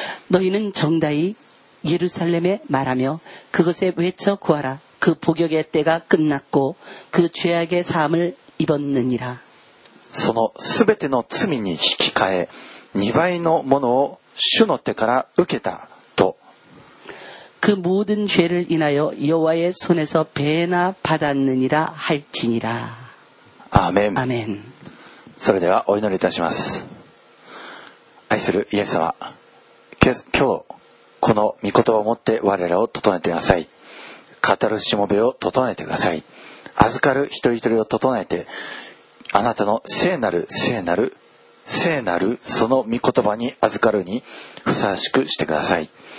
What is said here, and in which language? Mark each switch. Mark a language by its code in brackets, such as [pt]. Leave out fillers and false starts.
[ko] 너희는정다히예루살렘에말하며그것에외쳐구하라그복역의때가끝났고그죄악의사함을입었느니라 [ja] そのすべての罪に引き換え2倍のものを主の手から受けたと [ko] 그모든죄를인하여여호와의손에서배나받았느니라할지니라 아멘 아멘 [ja] それではお祈りいたします。愛するイエス様、今日この御言葉を持って我らを整えてください。語るしもべを整えてください。預かる一人一人を整えて、あなたの聖なる聖なる聖なるその御言葉に預かるにふさわしくしてください。